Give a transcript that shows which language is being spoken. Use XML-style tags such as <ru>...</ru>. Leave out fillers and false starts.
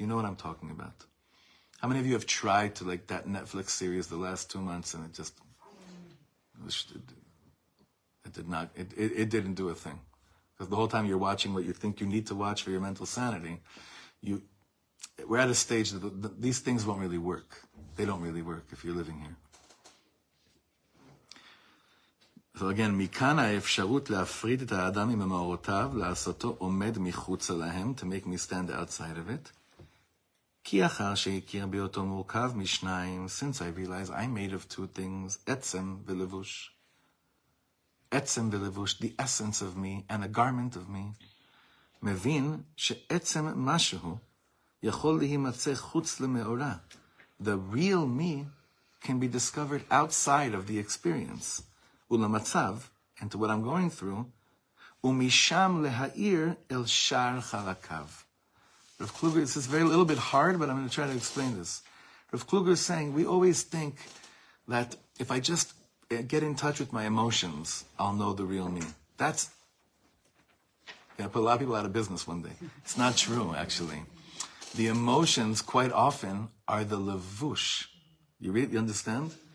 <en>You know what I'm talking about. How many of you have tried to, like, that Netflix series the last 2 months, and it didn't do a thing. Because the whole time you're watching what you think you need to watch for your mental sanity, we're at a stage that these things won't really work. They don't really work if you're living here. So again,</en> <he>מכאן האפשרות להפריד את האדם ממאורותיו, לעשותו עומד מחוץ להם,</he> <en>to make me stand outside of it.</en> <he>כי אחר שהכיר באותו מורכב משניים,</he> <en>since I realize I'm made of two things,</en> <he>עצם ולבוש.</he> <en>עצם ולבוש, the essence of me and a garment of me.</en> <he>מבין שעצם משהו יכול להימצא חוץ למאורה.</he> <en>The real me can be discovered outside of the experience.</en> <he>ולמצב,</he> <en>and to what I'm going through,</en> <he>ומשם להאיר אל שאר חלקיו.</he> <en>Rav Kluger, this is very, a little bit hard, but I'm going to try to explain this. Rav Kluger is saying, we always think that if I just get in touch with my emotions, I'll know the real me. That's going to put a lot of people out of business one day. It's not true, actually. The emotions, quite often, are the levush. You understand?</en>